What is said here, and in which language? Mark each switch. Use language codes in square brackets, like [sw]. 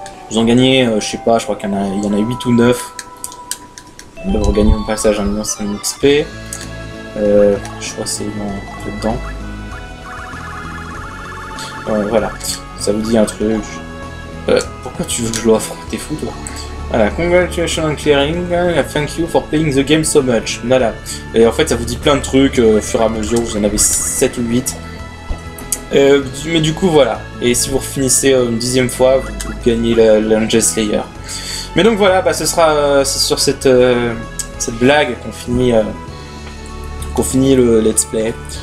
[fr] Vous en gagnez, je sais pas, je crois qu'il y en a 8 ou 9. de regagner mon passage en minant 5 XP. Je crois que c'est là-dedans. Voilà, ça vous dit un truc. Pourquoi tu veux que je l'offre? T'es fou toi? [en] Voilà, congratulations on clearing, thank you for playing the game so much. [fr] Voilà. Et en fait, ça vous dit plein de trucs au fur et à mesure, vous en avez 7 ou 8. Mais du coup, voilà. Et si vous finissez une dixième fois, vous gagnez le Lunges Slayer. Mais donc voilà, bah, ce sera c'est sur cette blague qu'on finit le let's play.